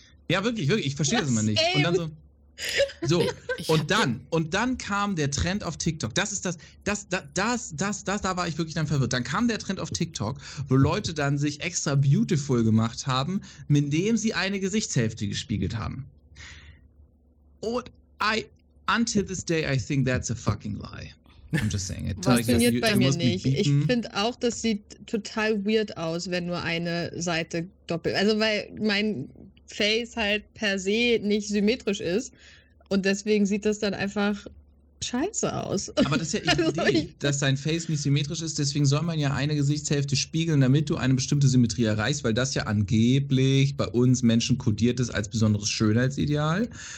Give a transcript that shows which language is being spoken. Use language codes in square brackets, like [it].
[de] Ja, wirklich, ich verstehe das immer nicht. Und dann so. Und dann kam der Trend auf TikTok. Da war ich wirklich dann verwirrt. Dann kam der Trend auf TikTok, wo Leute dann sich extra beautiful gemacht haben, mit dem sie eine Gesichtshälfte gespiegelt haben. Und [en] until this day, I think that's a fucking lie. I'm just saying it. [de] Das funktioniert bei mir nicht. Ich finde auch, das sieht total weird aus, wenn nur eine Seite doppelt. Also, weil mein Face halt per se nicht symmetrisch ist. Und deswegen sieht das dann einfach scheiße aus. Aber das ist ja die Idee, dass dein Face nicht symmetrisch ist. Deswegen soll man ja eine Gesichtshälfte spiegeln, damit du eine bestimmte Symmetrie erreichst, weil das ja angeblich bei uns Menschen kodiert ist als besonderes Schönheitsideal.